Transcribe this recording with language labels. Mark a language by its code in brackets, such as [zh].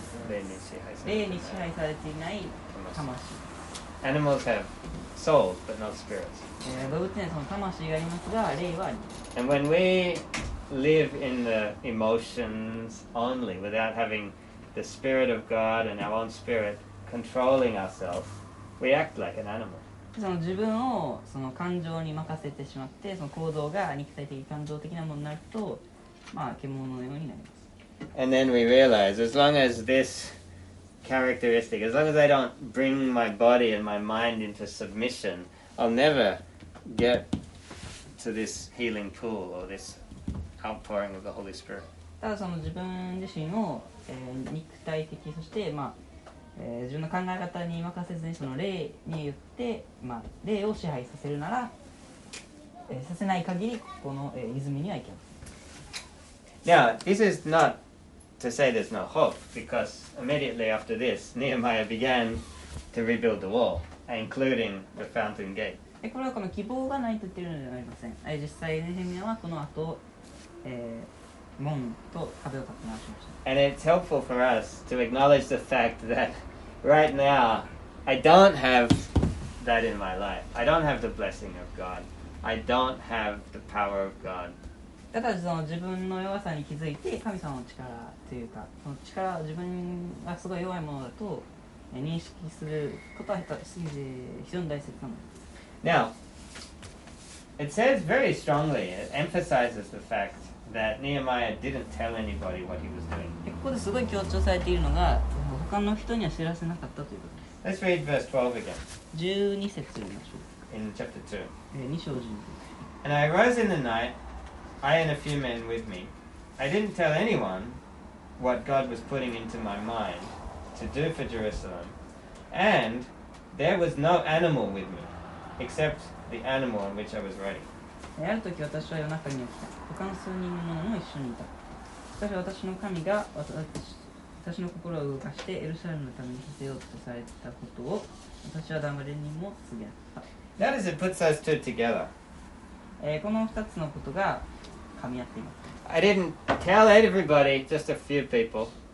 [ja] 霊に支配されていない魂。 [en] Animals have souls, but not spirits. [ja] 動物にはその魂がありますが、霊はあります。 [en] And when we live in the emotions only, without having the spirit of God and our own spirit controlling ourselves, we act like an animal. [ja] その自分をその感情に任せてしまって、その行動が肉体的感情的なものになると、まあ獣のようになります。 [en] And then we realize, as long as this... characteristic. As long as I don't bring my body and my mind into submission, I'll never get to this healing pool or this outpouring of the Holy Spirit. [ja] ただその自分自身を、肉体的そして、まあ自分の考え方に任せずにその霊によって、まあ、霊を支配させるなら、させない限りここの、泉には行けません。 [en] Now, this is notto say there's no hope, because immediately after this, Nehemiah began to rebuild the wall, including the fountain gate. [ja] これはこの希望がないと言ってるのではありません。実際、ネヘミヤはこの後、門と壁を建て直しました。 [en] And it's helpful for us to acknowledge the fact that right now, I don't have that in my life. I don't have the blessing of God. I don't have the power of God. [ja] ただその自分の弱さに気づいて神様の力というかその力は自分がすごい弱いものだと認識することは非常に大切なのです。 [en] Now, it says very strongly, it emphasizes the fact that Nehemiah didn't tell anybody what he was doing. [ja] ここですごい強調されているのが他の人には知らせなかったということです。 [en] Let's read verse 12 again. [ja] 12節を見ましょう。 [en] In chapter 2. [ja] 2章12節。 [en] And I rose in the night. I and a few men with me. I didn't tell anyone what God was putting into my mind to do for Jerusalem, and there was no animal with me, except the animal on which I was riding. [ja] ある時私は夜中に起きた。他の数人の者も一緒にいた。しかし私の神が私の心を動かしてエルサレムのために立てようとされたことを私は誰にも告げなかった。 [en] That is, it puts us two together. [ja] この二つのことが噛み合っています。 [en] I didn't tell everybody, just a few people.